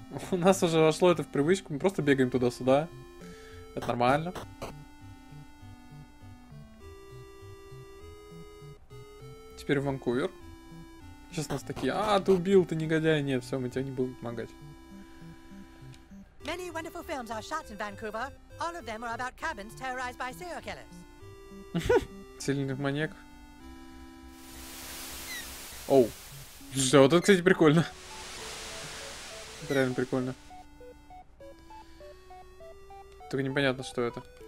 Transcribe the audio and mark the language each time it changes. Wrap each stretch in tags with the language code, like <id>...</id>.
<ru>У нас уже вошло это в привычку, мы просто бегаем туда-сюда. Это нормально. Теперь в Ванкувер. Сейчас нас такие, а, ты убил, ты негодяй. Нет, все, мы тебе не будем помогать.</ru> <en>Many wonderful films are shot in Vancouver. All of them are about cabins terrorized by serial killers.</en> <ru>Сильных маньяк. Оу. Что, вот это, кстати, прикольно. Это реально прикольно. Только непонятно, что это.</ru>